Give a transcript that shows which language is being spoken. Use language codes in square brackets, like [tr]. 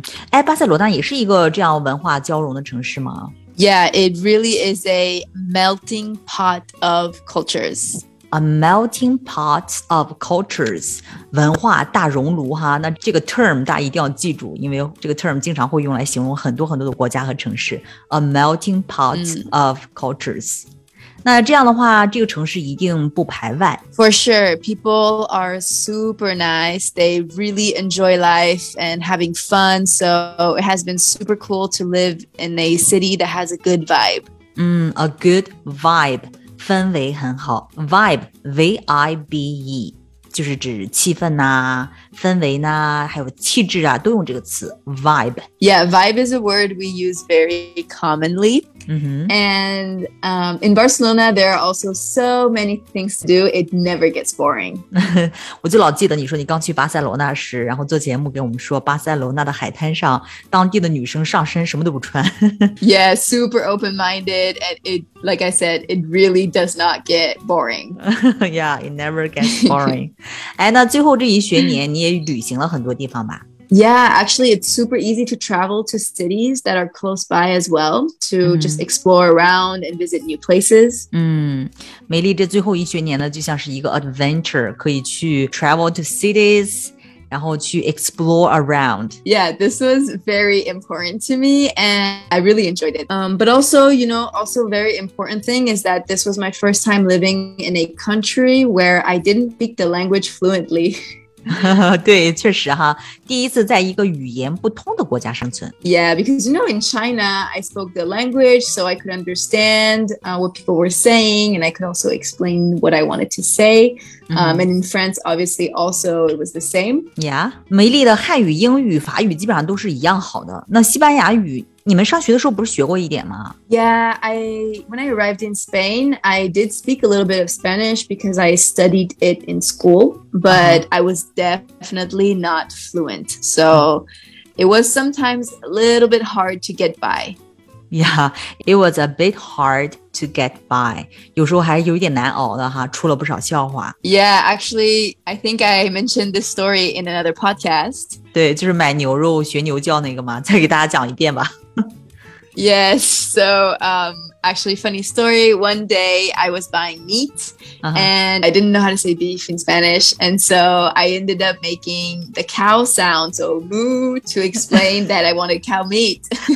[zh] 巴塞罗那也是一个这样文化交融的城市吗？ [en] Yeah, it really is a melting pot of cultures. A melting pot of cultures, [zh] 文化大熔炉哈。那这个 term 大家一定要记住，因为这个 term 经常会用来形容很多很多的国家和城市。 [en] A melting pot of cultures. [zh] 那这样的话，这个城市一定不排外。 [en] For sure, people are super nice. They really enjoy life and having fun. So it has been super cool to live in a city that has a good vibe. A good vibe, [zh] 氛围很好。 Vibe, V-I-B-E, 就是指气氛啊，氛围呢，还有气质啊，都用这个词 ,vibe. [en] Yeah, vibe is a word we use very commonly. Mm-hmm. And in Barcelona, there are also so many things to do. It never gets boring. [zh] 我就老记得你说你刚去巴塞罗那时，然后做节目给我们说巴塞罗那的海滩上，当地的女生上身什么都不穿。 [en] Yeah, super open-minded. And it, like I said, it really does not get boring. Yeah, it never gets boring. [zh] 哎，那最后这一学年你也旅行了很多地方吧？ [en] Yeah, actually, it's super easy to travel to cities that are close by as well to just explore around and visit new places. [zh] 美丽这最后一学年呢，就像是一个 adventure, 可以去 [en] travel to cities, [zh] 然后去 [en] explore around. Yeah, this was very important to me and I really enjoyed it. But also, you know, also very important thing is that this was my first time living in a country where I didn't speak the language fluently. 对，确实哈，第一次在一个语言不通的国家生存。 Yeah, because you know, in China, I spoke the language, so I could understand what people were saying, and I could also explain what I wanted to say. And in France, obviously, also, it was the same. [zh] Yeah, 美丽的汉语、英语、法语基本上都是一样好的。那西班牙语你们上学的时候不是学过一点吗 [en] When I arrived in Spain, I did speak a little bit of Spanish because I studied it in school, but I was definitely not fluent. So it was sometimes a little bit hard to get by. Yeah, it was a bit hard to get by. [zh] 有时候还有一点难熬的哈，出了不少笑话。 [en] Yeah, actually, I think I mentioned this story in another podcast. [zh] 对，就是买牛肉学牛叫那个嘛，再给大家讲一遍吧。 [en] Yes, so actually funny story, one day I was buying meat and I didn't know how to say beef in Spanish and so I ended up making the cow sound, so moo, to explain that I wanted cow meat.